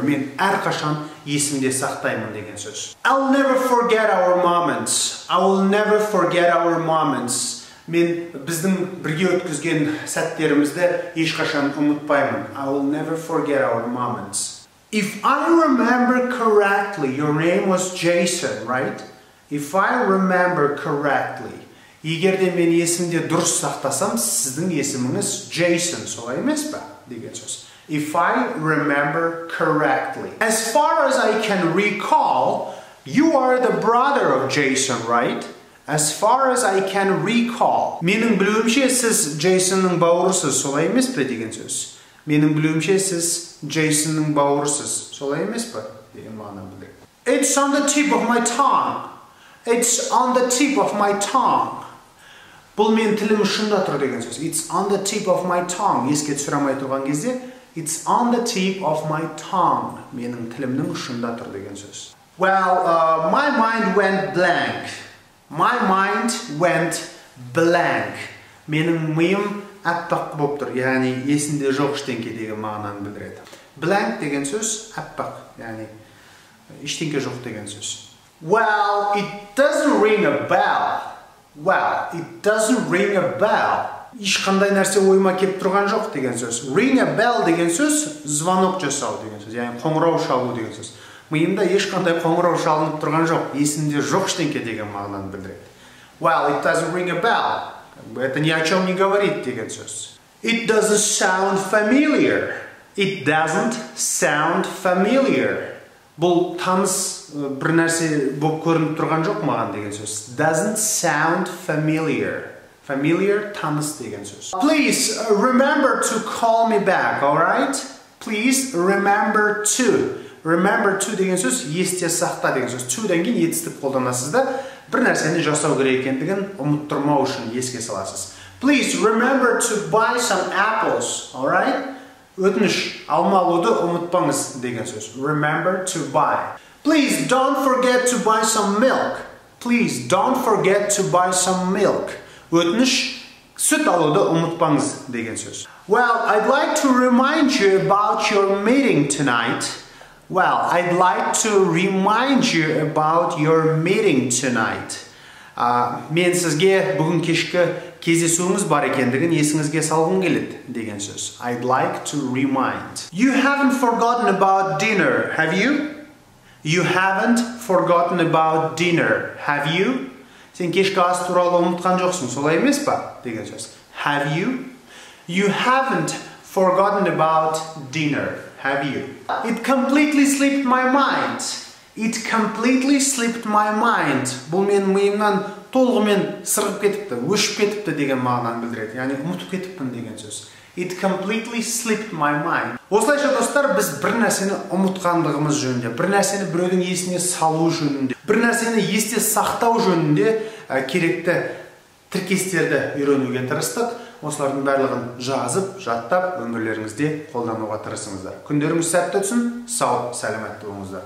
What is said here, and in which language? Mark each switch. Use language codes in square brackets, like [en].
[kk] Мен әрқашан есімде сақтаймын деген сөз. [en] I'll never forget our moments. I will never forget our moments. [kk] Мен біздің бірге өткізген сәттерімізді ешқашан ұмытпаймын. [en] I will never forget our moments. If I remember correctly, your name was Jason, right? If I remember correctly. [kk] Егер де мен есімде дұрыс сақтасам, сіздің есіміңіз Jason, солай емес па? Деген сөз. [en] If I remember correctly. As far as I can recall, you are the brother of Jason, right? As far as I can recall. [kk] Менің білуімше, сіз Jason-ның бауырысыз, солай емес па? Деген сөз. Менің білуімше, сіз Jason-ның бауырысыз, солай емес па? Деген мағына білдік. [en] It's on the tip of my tongue. It's on the tip of my tongue. [kk] Бұл мен тілім ұшында тұр деген сөз. [en] It's on the tip of my tongue. [kk] Еске түсірмей тұрған кезде, [en] it's on the tip of my tongue. [kk] Менің тілімнің ұшында тұр деген сөз. [en] Well, my mind went blank. My mind went blank. [kk] Менің миым аппақ болып тұр. Яғни, есінде жоқ іштеңке деген мағынаны білдіреді. Blank деген сөз аппақ. Яғни, іштеңке жоқ деген сөз. [en] Well, it doesn't ring a bell. Well, it doesn't ring a bell. [kk] Ешқандай нәрсе ойыма кеп тұрған жоқ деген сөз. [en] Ring a bell [kk] деген сөз звонок жасау деген сөз. Яғни, қоңырау шалу деген сөз. Миымда ешқандай қоңырау шалынып тұрған жоқ, есімде жоқ іштеңке деген мағынаны білдіреді. [en] Well, it doesn't ring a bell. [ru] Это ни о чем не говорит [kk] деген сөз. [en] It doesn't sound familiar. It doesn't sound familiar. [kk] Бұл таныс бір нәрсе боп көрініп тұрған жоқ маған деген сөз. [en] Doesn't sound familiar. [kk] Familiar таныс деген сөз. [en] Please remember to call me back, all right? Please remember to. Remember to [kk] деген сөз, есте сақта деген сөз. To-дан кейін етістік қолданасыз да, бір нәрсені жасау керек екендігін ұмыттырмау үшін еске саласыз. [en] Please remember to buy some apples, all right? [kk] Өтініш, алма алуды ұмытпаңыз деген сөз. [en] Remember to buy. Please don't forget to buy some milk. Please don't forget to buy some milk. [kk] Өтініш, сүт алуды ұмытпаңыз деген сөз. [en] Well, I'd like to remind you about your meeting tonight. Well, I'd like to remind you about your meeting tonight. [kk] Мен сізге бүгін кешкі кездесуіңіз бар екендігін есіңізге салғым келеді деген сөз. [en] I'd like to remind. You haven't forgotten about dinner, have you? You haven't forgotten about dinner, have you? [kk] Сен кешкі ас туралы ұмытқан жоқсың, солай емес па? Деген сөз. [en] Have you? You haven't forgotten about dinner. Have you? It completely slipped my mind. It completely slipped my mind. [kk] Бұл мен миымнан толығымен сырғып кетіпті, өшіп кетіпті деген мағынаны білдіреді. Яғни, ұмытып кетіппін деген сөз. [en] It completely slipped my mind. [kk] Осылайша достар, біз бір нәрсені ұмытқандығымыз жөнінде, бір нәрсені біреудің есіне салу жөнінде, бір нәрсені есте сақтау жөнінде керекті тіркестерді үйренуге тырыстық. Осылардың барлығын жазып, жаттап, өмірлеріңізде қолдануға тырысыңыздар. Күндеріңіз сәтті өтсін, сау, сәлеметті болыңыздар.